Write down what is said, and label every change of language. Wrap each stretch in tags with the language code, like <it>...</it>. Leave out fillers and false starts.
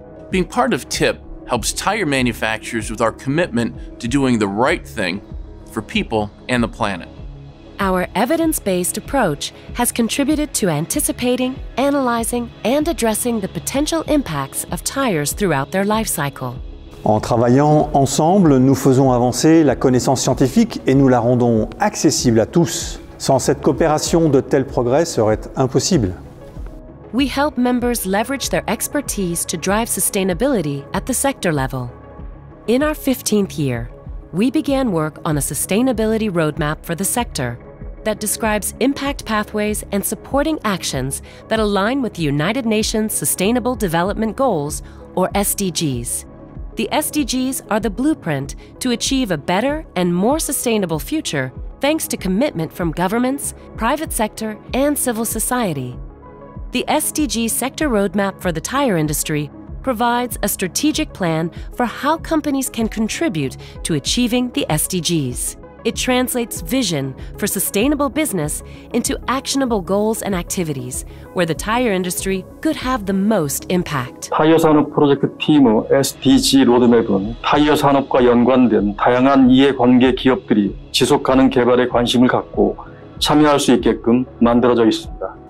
<en>Being part of TIP helps tire manufacturers with our commitment to doing the right thing for people and the planet. Our evidence-based approach has contributed to anticipating, analyzing, and addressing the potential impacts of tires throughout their life cycle.</en> <fr>En travaillant ensemble, nous faisons avancer la connaissance scientifique et nous la rendons accessible à tous. Sans cette coopération, de tels progrès seraient impossibles.</fr> <en>We help members leverage their expertise to drive sustainability at the sector level. In our 15th year, we began work on a sustainability roadmap for the sector that describes impact pathways and supporting actions that align with the United Nations Sustainable Development Goals, or SDGs. The SDGs are the blueprint to achieve a better and more sustainable future thanks to commitment from governments, private sector, and civil society. The SDG Sector Roadmap for the tire industry provides a strategic plan for how companies can contribute to achieving the SDGs. It translates vision for sustainable business into actionable goals and activities where the tire industry could have the most impact.</en> <ko>타이어 산업 프로젝트 팀 SDG 로드맵은 타이어 산업과 연관된 다양한 이해관계 기업들이 지속 가능 개발에 관심을 갖고 참여할 수 있게끔 만들어져 있습니다.</ko>